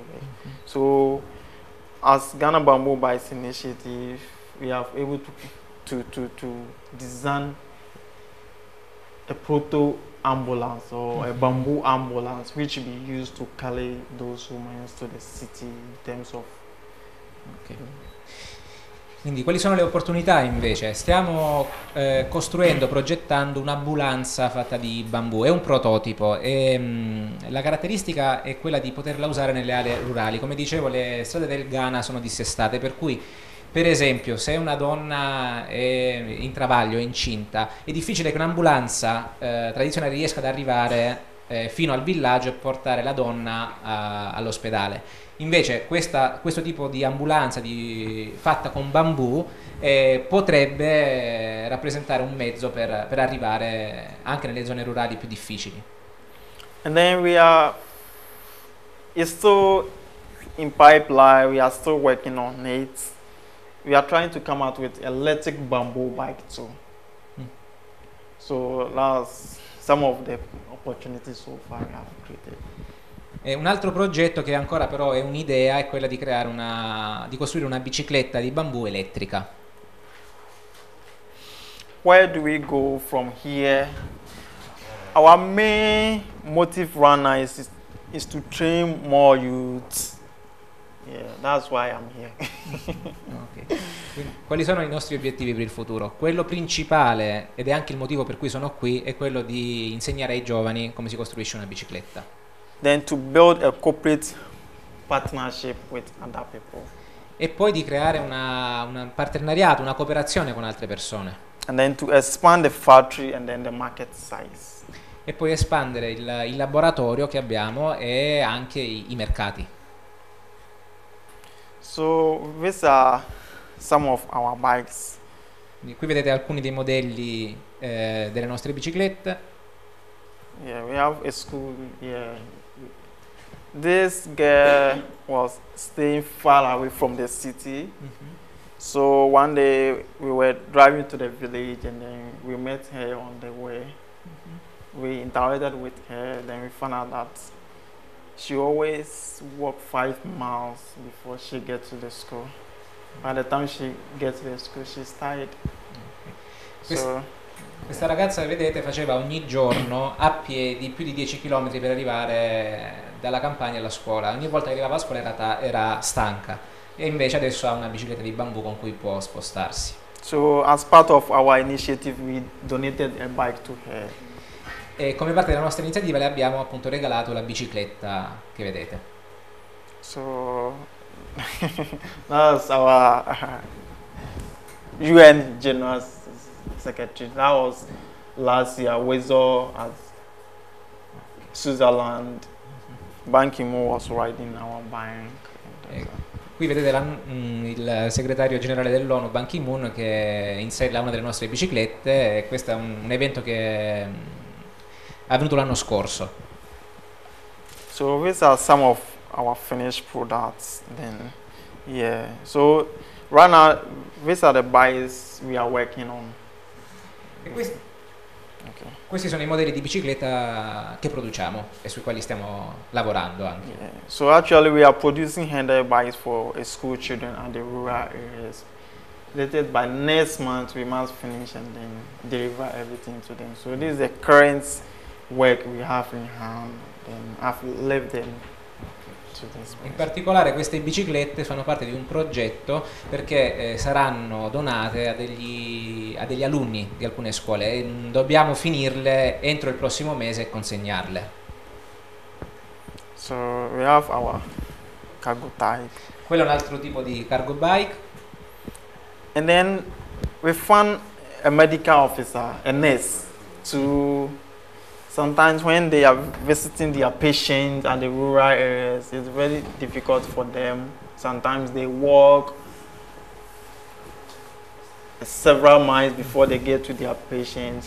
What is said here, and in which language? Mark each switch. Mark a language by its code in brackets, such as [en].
[en] Mm-hmm. So as Ghana Bamboo Bikes Initiative, we have able to design a proto ambulance or mm-hmm. a bamboo ambulance which will be used to carry those women to the city in terms of [it] okay. Quindi quali sono le opportunità invece? Stiamo costruendo, progettando un'ambulanza fatta di bambù, è un prototipo e la caratteristica è quella di poterla usare nelle aree rurali. Come dicevo, le strade del Ghana sono dissestate, per cui per esempio se una donna è in travaglio, è incinta, è difficile che un'ambulanza tradizionale riesca ad arrivare fino al villaggio e portare la donna all'ospedale. Invece questo tipo di ambulanza fatta con bambù potrebbe rappresentare un mezzo per arrivare anche nelle zone rurali più difficili. [en] And then we are still in pipeline, we are still working on it. We are trying to come out with electric bamboo bike too. So that's some of the opportunities so far we have created. [it] E un altro progetto che ancora però è un'idea è quella di creare di costruire una bicicletta di bambù elettrica. [en] Where do we go from here? our main motive right now is to train more youth. Yeah, that's why I'm here. Okay. [it] Quindi, quali sono i nostri obiettivi per il futuro? Quello principale, ed è anche il motivo per cui sono qui, è quello di insegnare ai giovani come si costruisce una bicicletta. [en] Then to build a corporate partnership with other people. [it] E poi di creare un partenariato, una cooperazione con altre persone. [en] And then to expand the factory and then the market size. [it] E poi espandere il laboratorio che abbiamo e anche i mercati. [en] So these are some of our bikes. [it] Qui vedete alcuni dei modelli delle nostre biciclette. [en] Yeah, we have a school. Yeah. This girl was staying far away from the city. Mm-hmm. So one day we were driving to the village and then we met her on the way. Mm-hmm. We interacted with her, then we found out that she always walk 5 miles before she gets to the school. By the time she gets to the school, she's tired. Okay. [it] Questa ragazza, vedete, faceva ogni giorno a piedi più di 10 km per arrivare dalla campagna alla scuola. Ogni volta che arrivava a scuola era stanca. E invece adesso ha una bicicletta di bambù con cui può spostarsi. [en] So, as part of our initiative, we donated a bike to her. [it] E come parte della nostra iniziativa le abbiamo appunto regalato la bicicletta che vedete. [en] So that's our UN General Secretary. That was last year, Wesel at Switzerland. Ban Ki-moon was riding our bank. [it] Qui vedete il segretario generale dell'ONU, Ban Ki-moon, che insella una delle nostre biciclette. Questo è un evento che è avvenuto l'anno scorso. [en] So these are some of our finished products. Then, yeah. So right now, these are the bikes we are working on. [it] Questi sono i modelli di bicicletta che produciamo e sui quali stiamo lavorando anche. [en] Yeah. So actually we are producing handle bikes for a school children and the rural areas. Later by next month we must finish and then deliver everything to them. So this is the current work we have in hand and I've left them. [it] In particolare queste biciclette fanno parte di un progetto perché saranno donate a degli alunni di alcune scuole e dobbiamo finirle entro il prossimo mese e consegnarle. [en] So we have our cargo bike. [it] Quello è un altro tipo di cargo bike. [en] And then we found a medical officer, a nurse, to sometimes when they are visiting their patients at the rural areas, it's very difficult for them. Sometimes they walk several miles before they get to their patients.